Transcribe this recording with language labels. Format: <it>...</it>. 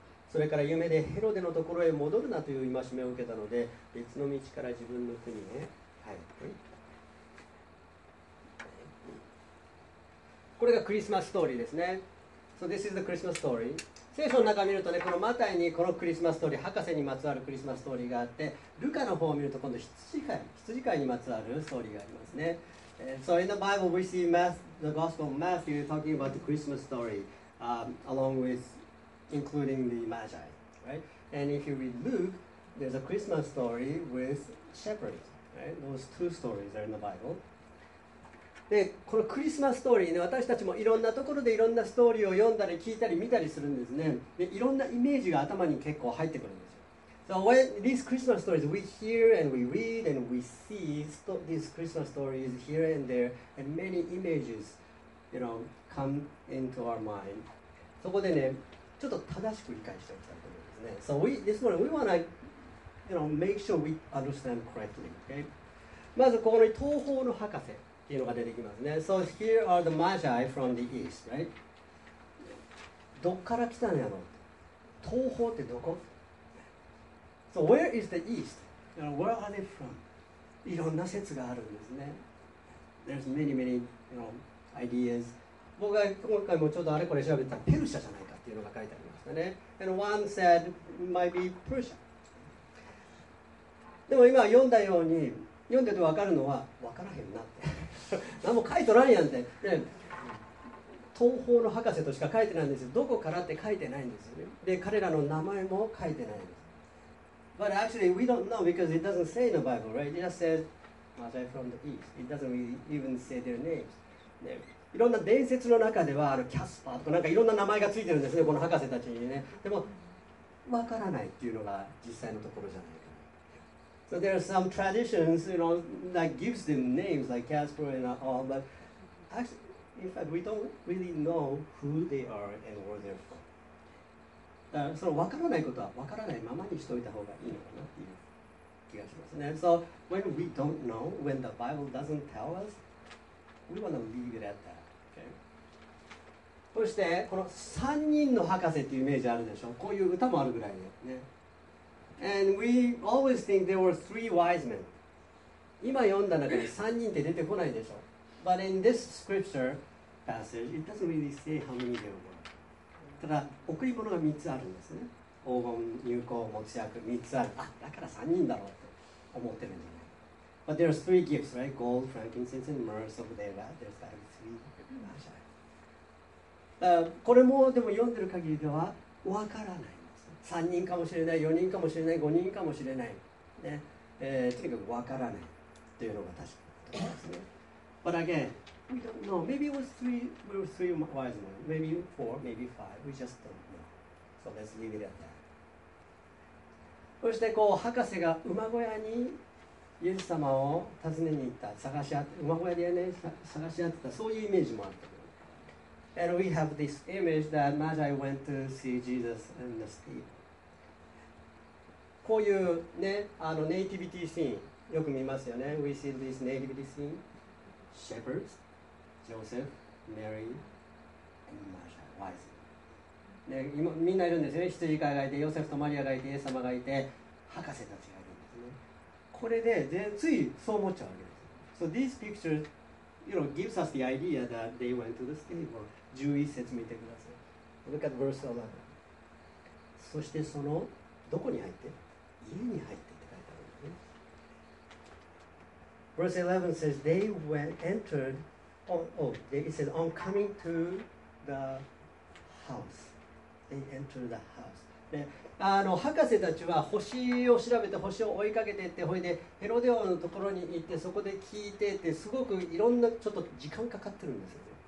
<ja>それから夢でヘロデのところへ戻るなという戒めを受けたので、別の道から自分の国へ帰っていった。これがクリスマスストーリーですね。</ja> <en>So this is the Christmas story。</en> <ja>聖書の中を見るとね、このマタイにこのクリスマスストーリー、博士にまつわるクリスマスストーリーがあって、ルカの方を見ると今度羊飼いにまつわるストーリーがありますね。</ja> <en>So in the Bible we see the Gospel of Matthew talking about the Christmas story、along with including the Magi, right? And if you read Luke, there's a Christmas story with shepherds, right? Those two stories are in the Bible.</en> <ja>で、このクリスマスストーリーね、私たちもいろんなところでいろんなストーリーを読んだり聞いたり見たりするんですね。で、いろんなイメージが頭に結構入ってくるんですよ。</ja> <en>So when these Christmas stories, we hear and we read and we see these Christmas stories here and there, and many images, you know, come into our mind.</en> <ja>そこでね、ちょっと正しく理解しておきたいと思うんですね。</ja> <en>So we, this morning, we want to, you know, make sure we understand correctly, okay?</en> <ja>まずここに東方の博士っていうのが出てきますね。</ja> <en>So here are the Magi from the East, right?</en> <ja>どっから来たのやろ？東方ってどこ？</ja> <en>So where is the East? You know, where are they from?</en> <ja>いろんな説があるんですね。</ja> <en>There's many, many, you know, ideas.</en> <ja>僕が今回もちょっとあれこれ調べたら、ペルシャじゃないかっていうのが書いてありましたね。</ja> <en>And one said, might be Persia.</en> <ja>でも今読んだように、読んでて分かるのは、分からへんなって。何も書いとらんやんて、ね。東方の博士としか書いてないんですよ。どこからって書いてないんですよね。で、彼らの名前も書いてないんです。</ja> <en>But actually, we don't know because it doesn't say in the Bible, right? It just says, Magi from the East. It doesn't really even say their names.</en> <ja>いろんな伝説の中では、キャスパーとかなんかいろんな名前がついてるんですね、この博士たちにね。でも、わからないっていうのが実際のところじゃないかな。</ja> <en>So there are some traditions, you know, that gives them names like Casper and all, but actually, in fact, we don't really know who they are and where they're from.</en> <ja>その分からないことは分からないままにしておいた方がいいのかなっていう気がしますね。</ja> <en>So when we don't know, when the Bible doesn't tell us, we want to leave it at that.、Okay.</en> <ja>そしてこの3人の博士っていうイメージあるでしょ。こういう歌もあるぐらいでね。</ja> <en>And we always think there were three wise men.</en> <ja>今読んだ中に3人って出てこないでしょ。</ja> <en>But in this scripture passage, it doesn't really say how many there were.</en> <ja>ただ贈り物が3つあるんですね。黄金、乳香、もつ薬、3つある。あ、だから3人だろうと思ってるんじゃない。</ja> <en>But there are three gifts, right? Gold, frankincense, and myrrh. So there are there's got to be three Magi.</en> <ja>これもでも読んでる限りではわからないんです。 3人かもしれない、4人かもしれない、5人かもしれない。ね、とにかくわからないというのが確かだと思いますね。</ja> <en>But again. We don't know. Maybe it was three wise men. Maybe four, maybe five. We just don't know. So let's leave it at that.</en> <ja>そしてこう博士が馬小屋にイエス様を訪ねに行った、探し合って馬小屋でね探し合ってた、そういうイメージもあると思う。</ja> <en>And we have this image that Magi went to see Jesus in the stable.</en> <ja>こういうね、あのネイティビティシーンよく見ますよね。</ja> <en>We see this nativity scene. Shepherds, Joseph, Mary, and Martha, wise.</en> <ja>ね、みんないるんですよね。羊飼いがいて、ヨセフとマリアがいて、イエス様がいて、博士たちがいるんですね。これで、ついそう思っちゃうわけです。</ja> <en>So these pictures, you know, gives us the idea that they went to the stable.</en> <ja>11節見てください。</ja> <en>Look at verse 11.</en> <ja>そしてその、どこに入って家に入ってって書いてあるんですね。</ja> <en>Verse 11 says, they went, entered, on, oh, it says, on coming to the house. They entered the house.</en> <ja>であの博士たちは星を調べて、星を追いかけていって、ほいでヘロデ王のところに行って、そこで聞いてって、すごくいろんな、ちょっと時間かかってるんですよ。</ja>